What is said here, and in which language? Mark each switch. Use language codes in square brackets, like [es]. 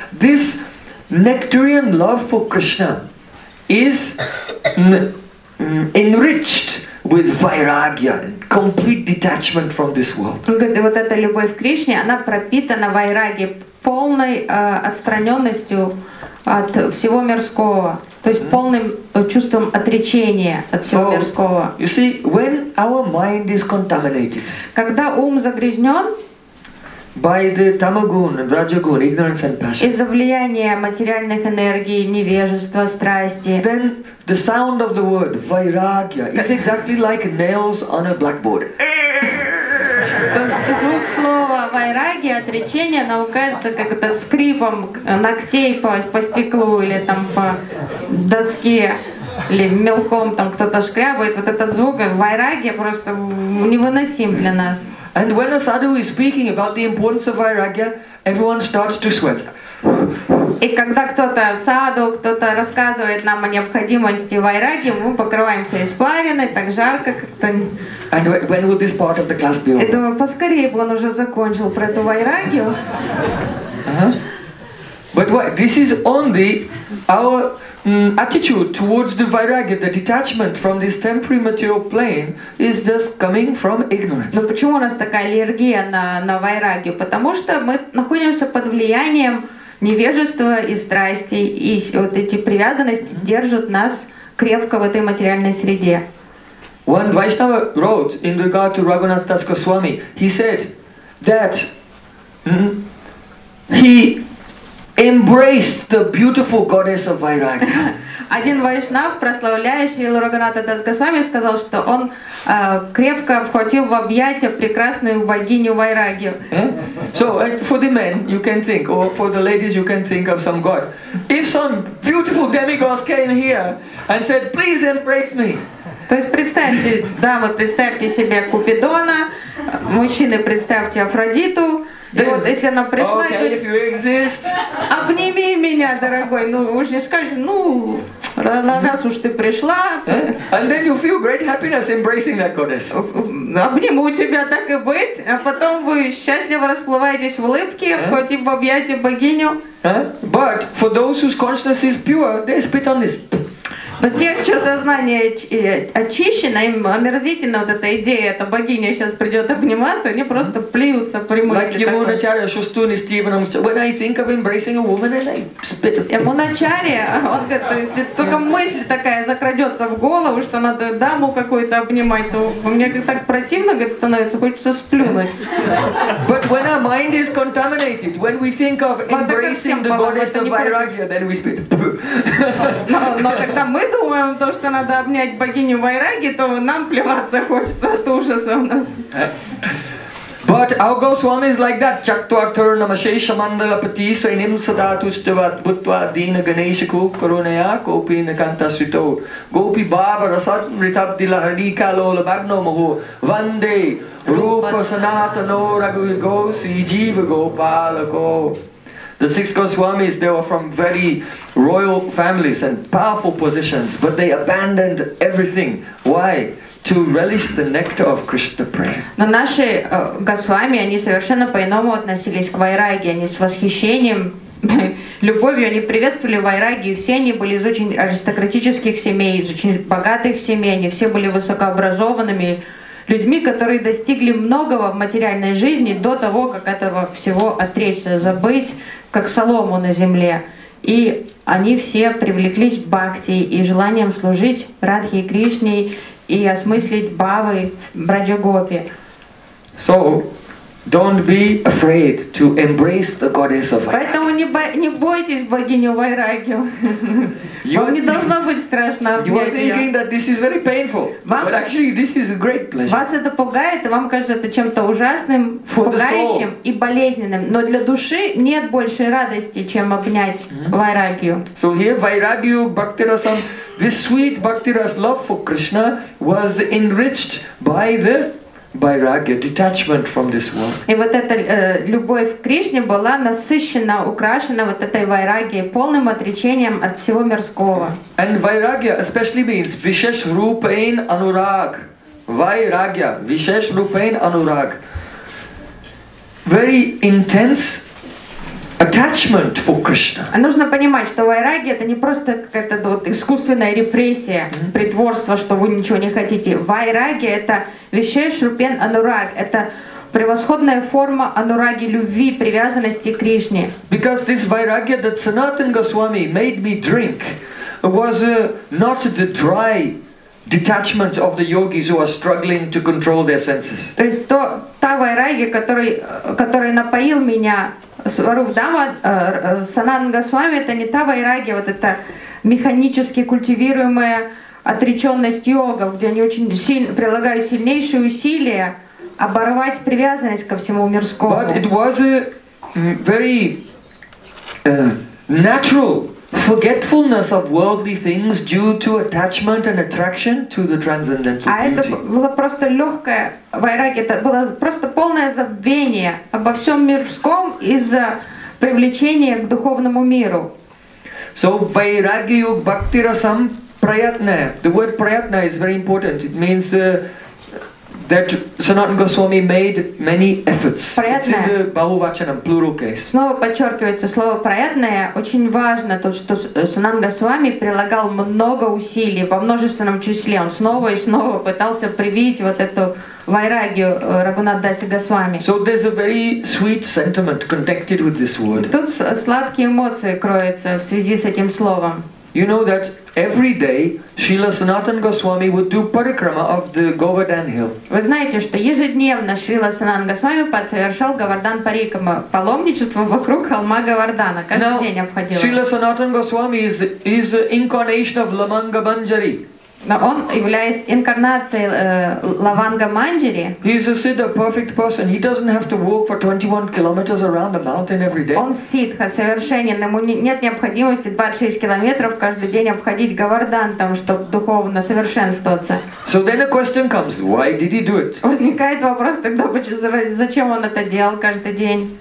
[en] This nectarian love for Krishna is enriched with Vairagya, complete detachment from this world. [ru] Вот эта любовь к Кришне, она пропитана Vairagya, полной отстраненностью от всего мирского, то есть полным чувством отречения от всего мирского. [en] You see, when our mind is contaminated, [ru] когда ум загрязнен [en] by the tamagun, rajagun, ignorance and passion, [ru] из-за влияния материальных энергий, невежества, страсти, [en] then the sound of the word vairagya is exactly like nails on a blackboard. [ru] Слово вайраги, отречение, оно кажется как это скрипом ногтей по стеклу или там по доске, или мелком там кто-то шкрябает. Вот этот звук вайраги просто невыносим для нас. [en] And when a sadhu is speaking about the importance of vairagya, everyone starts to sweat. [ru] И когда кто-то саду, кто-то рассказывает нам о необходимости вайраги, мы покрываемся испариной, так жарко как-то. [en] And when would this part of the class be over? [ru] Я думаю, поскорее бы он уже закончил про эту вайрагию. [en] But why? This is only our attitude towards the vairagya, the detachment from this temporary material plane, is just coming from ignorance. [ru] Но почему у нас такая аллергия на вайрагию? Потому что мы находимся под влиянием невежество и страсти, и вот эти привязанности держат нас крепко в этой материальной среде. [en] One Vaishnava wrote in regard to Raghunath Das Goswami, he said that he embraced the beautiful goddess of Vairagya. [ru] Один вайшнав, прославляющий Раганата Дас Госвами, сказал, что он крепко вхватил в объятия прекрасную богиню Вайрагью. [en] So for the men you can think, or for the ladies you can think of some god. If some beautiful demigods came here and said, please embrace me. [ru] То есть представьте, дамы, представьте себе Купидона, мужчины, представьте Афродиту. [en] Then, [ru] вот, если она пришла, [en] okay, [ru] говорит, [en] if you exist. [ru] Обними меня, дорогой. Ну, уж не скажешь, ну, раз уж ты пришла. [en] And then you feel great happiness embracing that goddess. [ru] Обниму тебя, так и быть. А потом вы счастливо расплываетесь в улыбке, хоть и в объятии богиню. [en] But for those whose consciousness is pure, they spit on this. [ru] Но те, чье сознание очищено, им омерзительно вот эта идея, эта богиня сейчас придет обниматься, они просто плюются при мысли. [en] Like Ямуначарья Шустуни Стивеном, when I think of embracing a woman, I spit. [ru] Ямуначарья, он говорит, если только мысль такая закрадется в голову, что надо даму какую-то обнимать, то мне так противно, говорит, становится, хочется сплюнуть. [en] But when our mind is contaminated, when we think of embracing the goddess of Vairagya, then we spit. [ru] Но когда мы думаем, то, что надо обнять богиню Вайраги, то нам плеваться хочется от ужаса у нас. [en] But our Goswami is like that. [sa] Чактуартур намашеша мандала пати сайним садату штават бутва дина ганеша кукаруная копи наканта свято. Гопи баба расат мритабди лахарика лола багно маху ванде рупа санатано рагу госи джива гопалако. [en] The six Goswamis, they were from very royal families and powerful positions, but they abandoned everything. Why? To relish the nectar of Krishna prayer. [ru] Но наши Госвами, они совершенно по-иному относились к Вайраге. Они с восхищением, любовью, они приветствовали Вайраги. Все они были из очень аристократических семей, из очень богатых семей. Они все были высокообразованными людьми, которые достигли многого в материальной жизни до того, как этого всего отречься, забыть, как солому на земле. И они все привлеклись бхакти и желанием служить Радхе и Кришне и осмыслить бхавы в Браджа-гопе. [en] So, Don't be afraid to embrace the goddess of Vairagya. [ru] Поэтому не бойтесь богиню Вайрагью. Вам не должно быть страшно обнять её. [en] You are thinking that this is very painful. But actually this is a great pleasure. [ru] Вас это пугает, вам кажется это чем-то ужасным, пугающим и болезненным. Но для души нет большей радости, чем обнять Вайрагью. [en] So here Vairagya Bhaktirasam, this sweet Bhaktira's love for Krishna was enriched by the Vairagya, detachment from this world. [ru] И вот эта любовь к Кришне была насыщена, украшена вот этой вайрагьей, полным отречением от всего мирского. [en] And vairagya especially means vishesh rupain anurag. Vairagya, vishesh rupain anurag. Very intense attachment for Krishna. [ru] А нужно понимать, что вайрагья это не просто какая-то вот искусственная репрессия, притворство, что вы ничего не хотите. Вайрагья это вишеш рупен анураг, это превосходная форма анураги любви, привязанности к Кришне. [en] Because this vairagya that Sanatan Goswami made me drink was not the dry detachment of the yogis who are struggling to control their senses. [ru] То есть то та вайрагья, который напоил меня Сварупа Дама, Сананда Госвами, это не та вайрагья, вот это механически культивируемая отреченность йогов, где они очень сильно прилагают сильнейшие усилия оборвать привязанность ко всему мирскому. [en] But it was a very natural forgetfulness of worldly things due to attachment and attraction to the transcendental beauty. [ru] А это было просто легкое вайрагья, это было просто полное забвение обо всем мирском из-за привлечения к духовному миру. [en] So vairagya bhakti rasam prayatna. The word prayatna is very important. It means that Sanatan Goswami made many efforts. Prayatna. It's in the Bahuvachanam, plural case. [ru] Снова подчеркивается слово «праятная». Очень важно то, что Сананда Госвами прилагал много усилий во множественном числе. Он снова и снова пытался привить вот эту вайрагью Рагунат Даси Госвами. [en] So there's a very sweet sentiment connected with this word. [ru] И тут сладкие эмоции кроются в связи с этим словом. [en] You know that every day Srila Sanatan Goswami would do parikrama of the Govardhan Hill. [ru] Вы знаете, что ежедневно Шрила Санатан Госвами совершал Говардан парикрама, паломничество вокруг холма Говардана. Каждый день обходил. [en] Srila Sanatan Goswami is the incarnation of Lavanga Manjari. [ru] Но он является инкарнацией Лаванга Манджари. [en] He is a siddha, perfect person. He doesn't have to walk for 21 kilometers around a mountain every day. [ru] Он сиддха, совершенен. Ему нет необходимости 26 километров каждый день обходить Говардан, там, чтобы духовно совершенствоваться. [en] So then a question comes, why did he do it? [ru] Возникает вопрос тогда, зачем он это делал каждый день?